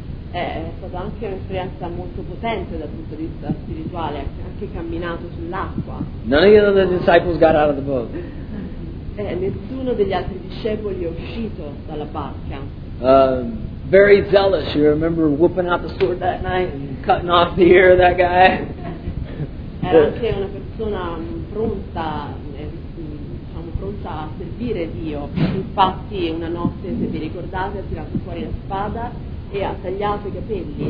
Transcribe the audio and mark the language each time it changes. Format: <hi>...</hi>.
<it>È stata anche un'esperienza molto potente dal punto di vista spirituale, anche camminato sull'acqua.</it> <en>None of the disciples got out of the boat.</en> <it>Nessuno degli altri discepoli è uscito dalla barca.</it> <en>Very zealous, you remember whooping out the sword that night and cutting off the ear of that guy.</en> <it>Era anche una persona pronta, pronta a servire Dio. Infatti una notte, se vi ricordate, ha tirato fuori la spada e ha tagliato i capelli.</it>